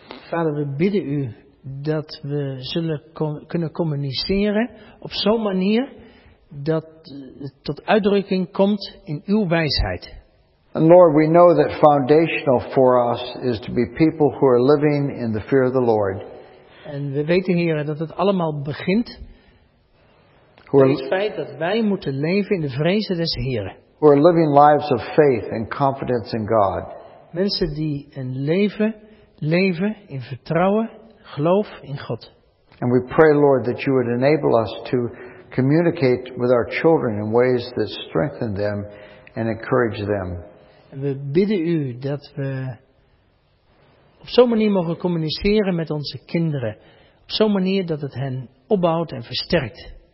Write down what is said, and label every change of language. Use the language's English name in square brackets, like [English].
[Dutch] Vader, we bidden u dat we zullen kunnen communiceren op zo'n manier dat tot uitdrukking komt in uw wijsheid. [English] And Lord, we know that foundational for us is to be people who are living in the fear of the Lord. [Dutch] En we weten, Heere, dat het allemaal begint met het feit dat wij moeten leven in de vrezen des Heren. [English] Who are living lives of faith and confidence in God. [Dutch] Mensen die een leven in vertrouwen, geloof in God. [English] And we pray, Lord, that you would enable us to communicate with our children in ways that strengthen them and encourage them. [Dutch] En we bidden u dat we op zo'n manier mogen communiceren met onze kinderen. Op zo'n manier dat het hen opbouwt en versterkt.